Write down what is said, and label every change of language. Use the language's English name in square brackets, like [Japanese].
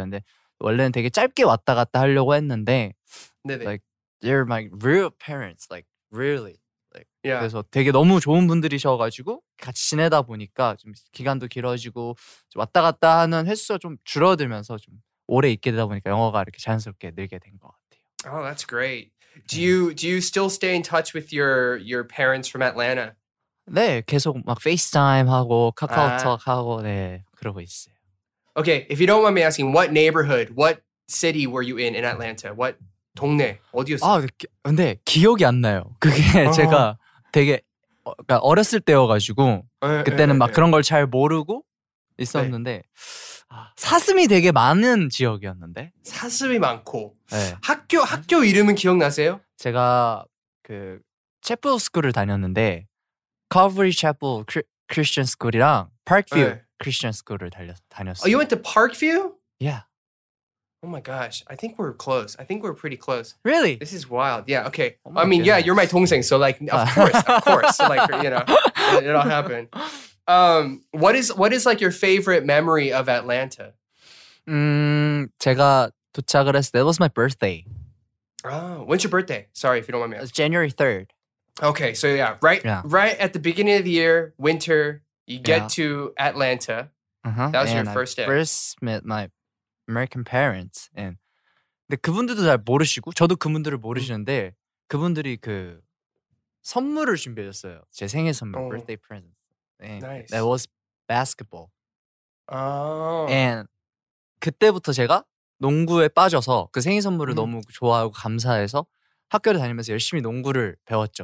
[Korean] 근데 원래는 되게 짧게 왔다 갔다 하려고 했는데 [English] like they're my real parents, like really. Like, yeah. [Korean] 그래서 되게 너무 좋은 분들이셔가지고 같이 지내다 보니까 좀 기간도 길어지고 좀 왔다 갔다 하는 횟수가 좀 줄어들면서 좀 오래 있게 되다 보니까 영어가 이렇게 자연스럽게 늘게 된 것 같아요. [English] Oh, that's great. Do you still stay in touch with your parents from Atlanta? [Korean] 네, 계속 막 FaceTime 하고 카카오톡 하고 네 그러고 있어요. [English] Okay, if you don't mind me asking, what neighborhood, what city were you in Atlanta? [Korean] What 동네 어디였어요? 아 근데 기억이 안 나요. 그게 제가 되게 그러니까 어렸을 때여가지고 그때는 막 그런 걸 잘 모르고 있었는데. 사슴이 되게 많은 지역이었는데. 사슴이 많고. 네. 학교 이름은 기억나세요? 제가 그 채플 스쿨을 다녔는데 Calvary Chapel Christian School이랑 Parkview 네. Christian School을 다녔어요. [English] Oh, you went to Parkview? Yeah. Oh my gosh. I think we're close. I think we're pretty close. Really? This is wild. Yeah, okay. Oh I mean, goodness. Yeah, you're my 동생. So like of course. So like, you know, it'll happen. What is like your favorite memory of Atlanta? [Korean] 제가 도착을 했을 때, [English] that was my birthday. When's your birthday? Sorry if you don't mind me asking. It's January 3rd. Okay, so right at the beginning of the year, winter, you get to Atlanta. Uh-huh. That was and your first day. I first met my American parents. [Korean] And 근데 그분들도 잘 모르시고, 저도 그분들을 모르시는데, 그분들이 그 선물을 준비해줬어요. 제 생일 선물, [English] birthday present. Nice. That was basketball. Oh. [Korean] And 그때부터 제가 농구에 빠져서 그 생일 선물을 너무 좋아하고 감사해서 학교를 다니면서 열심히 농구를 배웠죠.